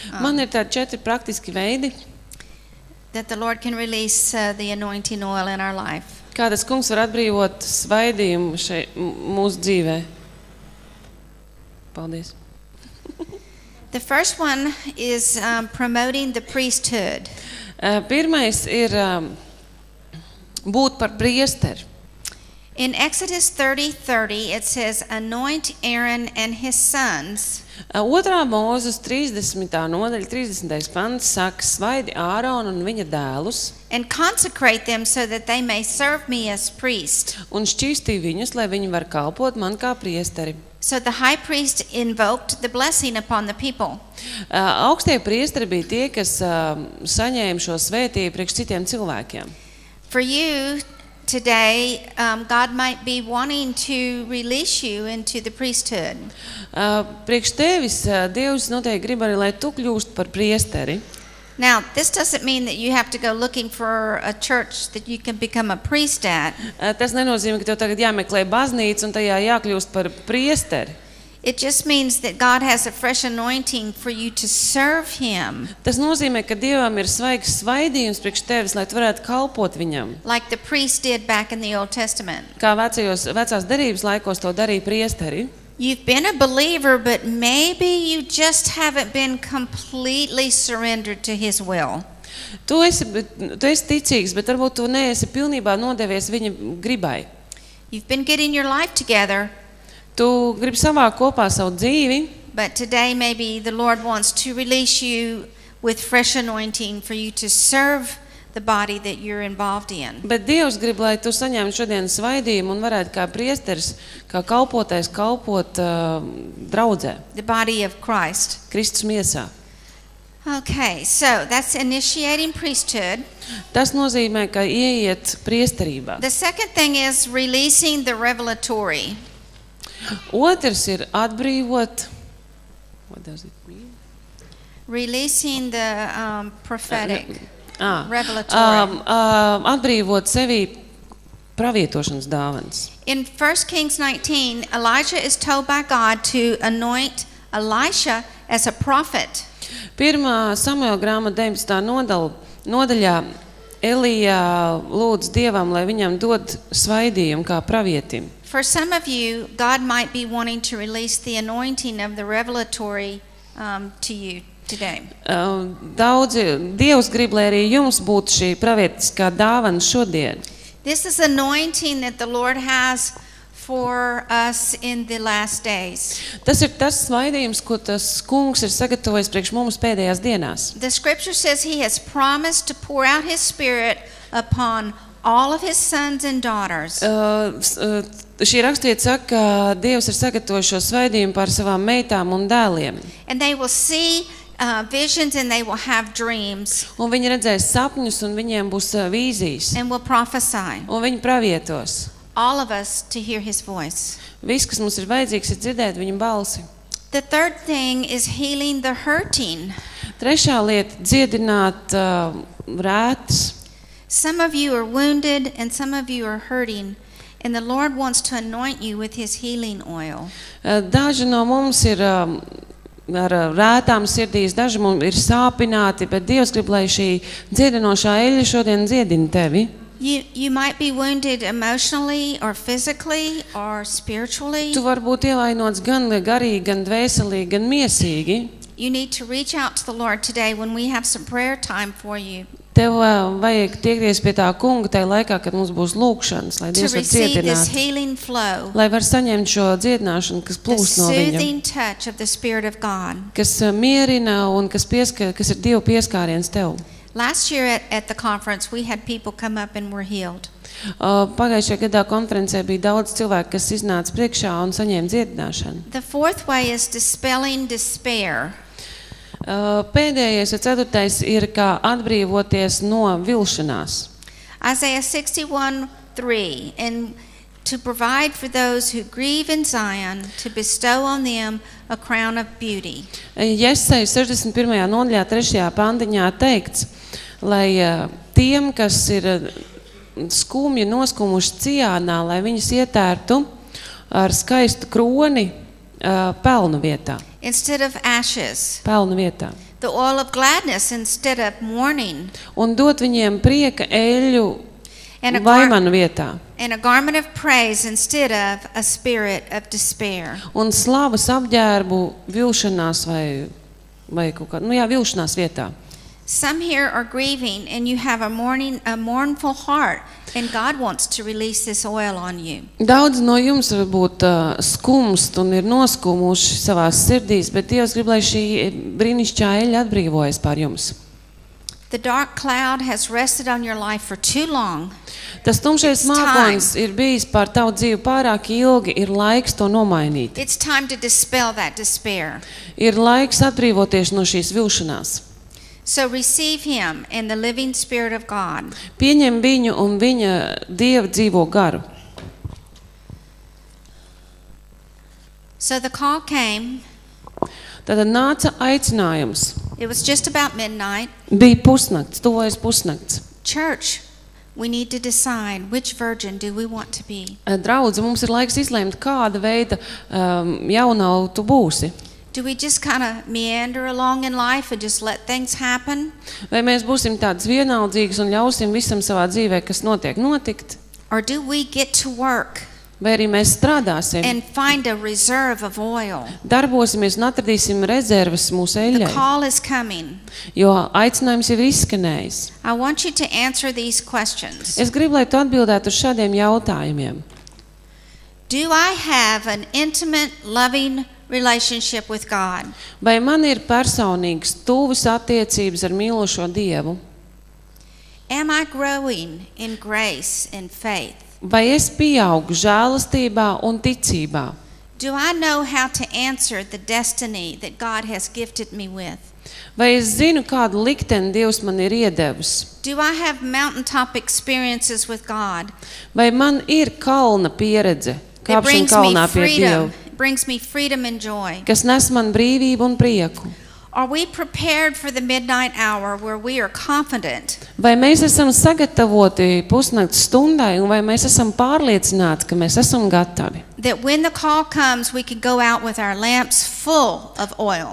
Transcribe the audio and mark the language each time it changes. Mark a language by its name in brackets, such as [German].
[Latvian] Man ir tādi četri praktiski veidi. [English] That the Lord can release the anointing oil in our life. [Latvian] Kā tas Kungs var atbrīvot svaidījumu šeit mūsu dzīvē. Paldies. [English] The first one is promoting the priesthood. [Latvian] Pirmais ir būt par priesteri. [English] In Exodus 30:30 it says anoint Aaron and his sons. [Latvian] Otrā Mozes 30. Nodaļa 30. Pants saka svaidi Āronu un viņa dēlus. [English] And consecrate them so that they may serve me as priest. [Latvian] Un šķīstī viņus, lai viņi var kalpot man kā priesteri. [English] So the high priest invoked the blessing upon the people. [Latvian] Augstie priesteri bija tie, kas saņēma šo svētību priekš citiem cilvēkiem. [English] For you today God might be wanting to release you into the priesthood. [Latvian] Priekš tevis Dievs noteikti grib arī lai tu kļūst par priesteri. [English] Now this doesn't mean that you have to go looking for a church that you can become a priest at. [Latvian] Tas nenozīmē ka tev tagad jāmeklē baznīcu un tajā jākļūst par priesteri. [English] It just means that God has a fresh anointing for you to serve him. [Latvian] Tas nozīmē, ka Dievam ir svaigs svaidījums priekš tevis, lai tu varētu kalpot viņam. [English] Like the priest did back in the Old Testament. [Latvian] Kā vecajos, vecās derības laikos to darīja priesteri. [English] you've been a believer, but maybe you just haven't been completely surrendered to his will. [Latvian] Tu esi ticīgs, bet varbūt tu neesi pilnībā nodevies viņa gribai. [English] You've been getting your life together. [Latvian] Tu gribi savā kopā savu dzīvi. [English] But today maybe the Lord wants to release you with fresh anointing for you to serve the body that you're involved in. [Latvian] Bet Dievs grib, lai tu saņem šodien svaidījumu un varētu kā priesteris, kā kalpotais kalpot draudzē. [English] The body of Christ. [Latvian] Kristus miesā. [English] Okay, so that's initiating priesthood. [Latvian] Tas nozīmē, ka ieiet priesterībā. [English] The second thing is releasing the revelatory. [Latvian] Otrs ir atbrīvot. [English] What does it mean? Releasing the prophetic. [Latvian] Atbrīvot sevī pravietošanas dāvanas. [English] In 1 Kings 19, Elijah is told by God to anoint Elisha as a prophet. [Latvian] Pirmā Samuela grāmata 19. Nodaļā Elija lūdz Dievam, lai viņam dod svaidījumu kā pravietim. [English] For some of you, God might be wanting to release the anointing of the revelatory to you. [Latvian] Daudzi Dievs grib, lai arī jums būtu šī pravietiskā dāvana šodien. [English] This is anointing that the Lord has for us in the last days. [Latvian] Tas ir tas svaidījums, ko tas Kungs ir sagatavojis priekš mums pēdējās dienās. [English] The scripture says he has promised to pour out his spirit upon all of his sons and daughters. [Latvian] Šī rakstvieta saka, ka Dievs ir sagatavojis šo svaidījumu par savām meitām un dēliem. [English] And they will see visions and they will have dreams. [Latvian] Un viņi redzēs sapņus un viņiem būs vīzijas. [English] And will prophesy. [Latvian] Un viņi pravietos. [English] All of us to hear his voice. [Latvian] Viss, kas mums ir vajadzīgs, ir dzirdēt viņa balsi. [English] The third thing is healing the hurting. [Latvian] Trešā lieta dziedināt rētas. [English] Some of you are wounded and some of you are hurting. And the Lord wants to anoint you with his healing oil. [Latvian] Daži no mums ir ar rētām sirdīs, daži mums ir sāpināti, bet Dievs grib, lai šī dziedinošā eļļa šodien dziedina tevi. [English] You might be wounded emotionally or physically or spiritually. [Latvian] Tu varbūt ievainots gan garīgi, gan dvēselīgi, gan miesīgi. [English] You need to reach out to the Lord today when we have some prayer time for you. [Latvian] Tev vajag tiekties pie tā Kunga tajā laikā, kad mums būs lūkšanas, lai Dievs var dziedināt. Lai var saņemt šo dziedināšanu, kas plūst no viņa. Kas mierina un kas ir Dieva pieskāriens tev. [English] Last year at the conference we had people come up and were healed. [Latvian] Pagājušajā gadā konferencē bija daudz cilvēku, kas iznāca priekšā un saņēma dziedināšanu. [English] The fourth way is dispelling despair. [Latvian] Pēdējais vai ceturtais ir kā atbrīvoties no vilšanās. [English] Isaiah 61:3 and to provide for those who grieve in Zion to bestow on them a crown of beauty. [Latvian] Jesaja 61. Nodaļā 3. Pantiņā teikts, lai tiem, kas ir skumji noskumuši Cijānā, lai viņus ietērtu ar skaistu kroni pelnu vietā. [English] Instead of ashes. [Latvian] Pelnu vietā. [English] The oil of gladness instead of mourning. [Latvian] Un dot viņiem prieka eļļu vaimanu vietā. [English] And a garment of praise instead of a spirit of despair. [Latvian] Un slavas apģērbu vilšanās vai kaut kā, nu jā, vilšanās vietā. [English] Some here are grieving and you have a mournful heart and God wants to release this oil on you. [Latvian] Daudz no jums varbūt skumst un ir noskumuši savās sirdīs, bet Dievs grib, lai šī brīnišķā eļļa atbrīvojas pār jums. [English] The dark cloud has rested on your life for too long. [Latvian] Tas tumšais mākonis ir bijis pār tavu dzīvi pārāk ilgi, ir laiks to nomainīt. [English] It's time to dispel that despair. [Latvian] Ir laiks atbrīvoties no šīs vilšanās. [English] So receive him and the living spirit of God. [Latvian] Pieņem viņu un viņa Dieva dzīvo garu. [English] So the call came. [Latvian] Tad nāca aicinājums. [English] It was just about midnight. [Latvian] Bija pusnakts, tuvojas pusnakts. [English] Church, we need to decide which virgin do we want to be. [Latvian] Draudz, mums ir laiks izlemt, kāda veida jaunava tu būsi. [English] Do we just kind of meander along in life and just let things happen? [Latvian] Vai mēs būsim tāds vienaldzīgs un ļausim visam savā dzīvē, kas notiek, notikt? [English] Or do we get to work? [Latvian] vai arī mēs strādāsim. [English] And find a reserve of oil. [Latvian] Darbosimies un atradīsim rezervas mūsu eļai. [English] The call is coming. [Latvian] Jo aicinājums jau ir izskanējis. [English] I want you to answer these questions. [Latvian] Es gribu, lai tu atbildētu uz šādiem jautājumiem. [English] Do I have an intimate, loving relationship with God? [Latvian] Vai man ir personīgas, tuvas attiecības ar mīlošo Dievu? [English] Am I growing in grace and faith? [Latvian] Vai es pieaugu žēlastībā un ticībā? [English] Do I know how to answer the destiny that God has gifted me with? [Latvian] Vai es zinu, kādu likteni Dievs man ir iedevis? [English] Do I have mountaintop experiences with God? [Latvian] Vai man ir kalna pieredze? Kāpšana kalnā pie Dievu. [English] Brings me freedom and joy. [Latvian] Kas nes man brīvību un prieku. [English] Are we prepared for the midnight hour where we are confident? [Latvian] Vai mēs esam sagatavoti pusnakts stundai un vai mēs esam pārliecināti, ka mēs esam gatavi? [English] That when the call comes, we can go out with our lamps full of oil.